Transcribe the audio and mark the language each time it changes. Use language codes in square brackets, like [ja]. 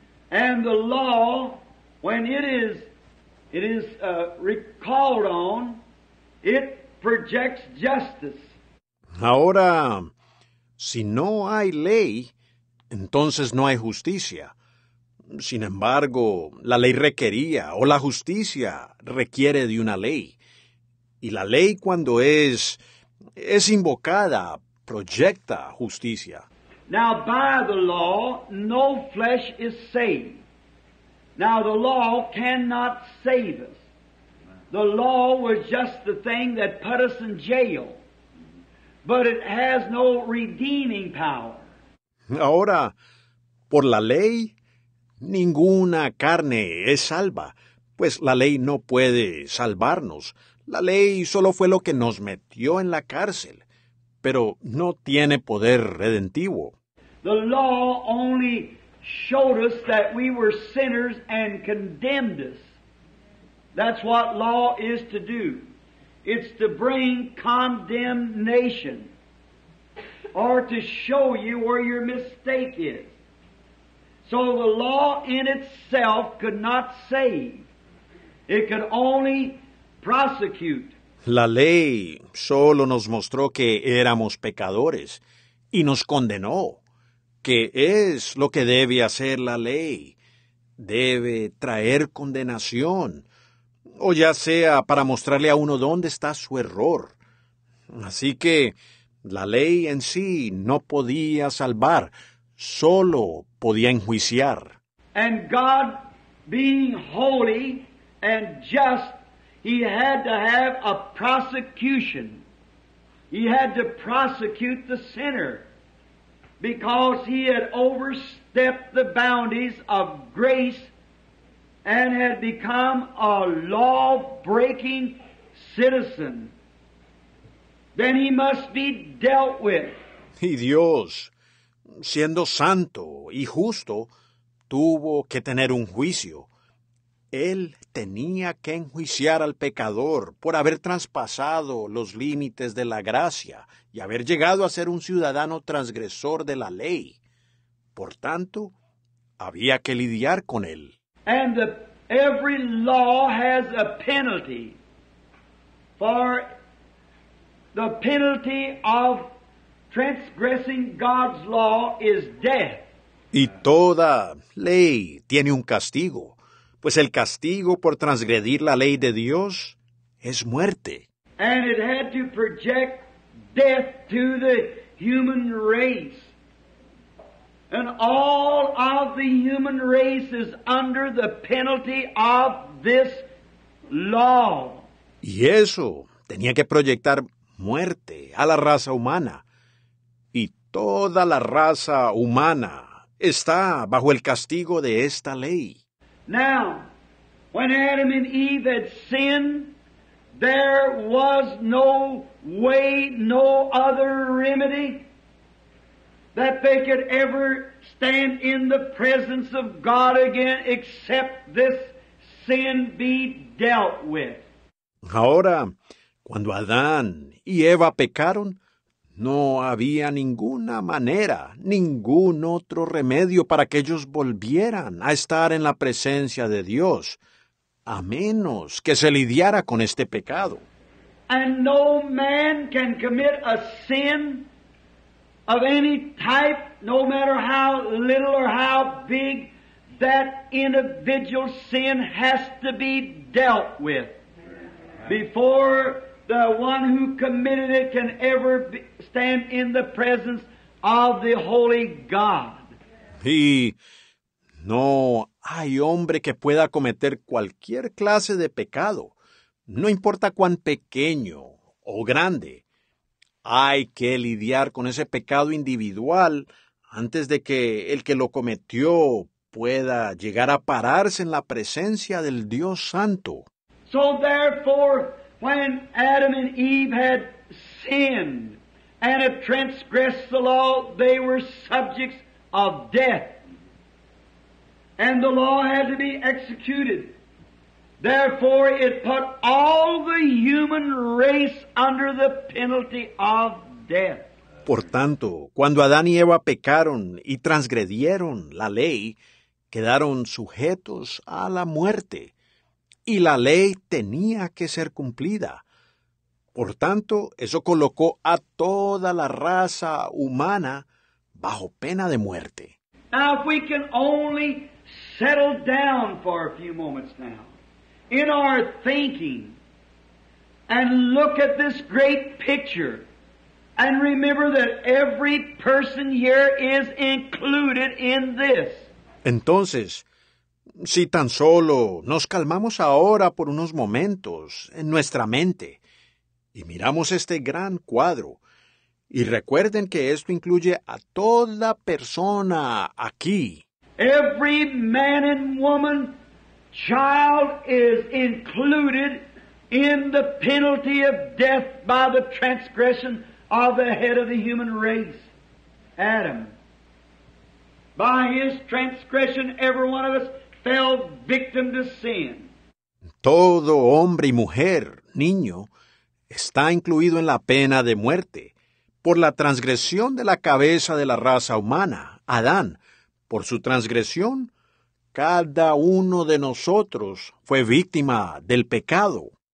[en] And the law, when it is recalled on, it projects justice. [es] Ahora, si no hay ley, entonces no hay justicia. Sin embargo, la ley requería, o la justicia requiere de una ley. Y la ley cuando es invocada, proyecta justicia. [en] Now by the law, no flesh is saved. Now the law cannot save us. The law was just the thing that put us in jail. But it has no redeeming power. [es] Ahora, por la ley, ninguna carne es salva, pues la ley no puede salvarnos. La ley solo fue lo que nos metió en la cárcel, pero no tiene poder redentivo. [en] The law only showed us that we were sinners and condemned us. That's what law is to do. It's to bring condemnation, or to show you where your mistake is. So the law in itself could not save. It could only prosecute. [es] La ley solo nos mostró que éramos pecadores y nos condenó. ¿Qué es lo que debe hacer la ley? Debe traer condenación, o ya sea para mostrarle a uno dónde está su error. Así que la ley en sí no podía salvar, solo podía enjuiciar. [en] And God, being holy and just, he had to have a prosecution. He had to prosecute the sinner because he had overstepped the boundaries of grace and had become a law-breaking citizen, then he must be dealt with. [es] Y Dios, siendo santo y justo, tuvo que tener un juicio. Él tenía que enjuiciar al pecador por haber traspasado los límites de la gracia y haber llegado a ser un ciudadano transgresor de la ley. Por tanto, había que lidiar con él. [en] Every law has a penalty, for the penalty of transgressing God's law is death. [es] Y toda ley tiene un castigo, pues el castigo por transgredir la ley de Dios es muerte. [en] And it had to project death to the human race. And all of the human race is under the penalty of this law. [es] Y eso tenía que proyectar muerte a la raza humana. Y toda la raza humana está bajo el castigo de esta ley. [en] Now, when Adam and Eve had sinned, there was no way, no other remedy that they could ever stand in the presence of God again except this sin be dealt with. [es] Ahora, cuando Adán y Eva pecaron, no había ninguna manera, ningún otro remedio para que ellos volvieran a estar en la presencia de Dios, a menos que se lidiara con este pecado. [en] And no man can commit a sin of any type, no matter how little or how big, that individual sin has to be dealt with before the one who committed it can ever stand in the presence of the holy God. [es] Y no hay hombre que pueda cometer cualquier clase de pecado, no importa cuán pequeño o grande. Hay que lidiar con ese pecado individual antes de que el que lo cometió pueda llegar a pararse en la presencia del Dios Santo. [en] So therefore, when Adam and Eve had sinned and had transgressed the law, they were subjects of death. And the law had to be executed. Therefore, it put all the human race under the penalty of death. [es] Por tanto, cuando Adán y Eva pecaron y transgredieron la ley, quedaron sujetos a la muerte, y la ley tenía que ser cumplida. Por tanto, eso colocó a toda la raza humana bajo pena de muerte. [en] Now, if we can only settle down for a few moments now in our thinking, and look at this great picture And remember that every person here is included in this. [es] Entonces, si tan solo nos calmamos ahora por unos momentos en nuestra mente y miramos este gran cuadro, y recuerden que esto incluye a toda persona aquí. [en] Every man and woman, child is included in the penalty of death by the transgression of the head of the human race, Adam. By his transgression, every one of us fell victim to sin. [es] Todo hombre y mujer, niño, está incluido en la pena de muerte por la transgresión de la cabeza de la raza humana, Adán. Por su transgresión, cada uno de nosotros fue víctima del pecado.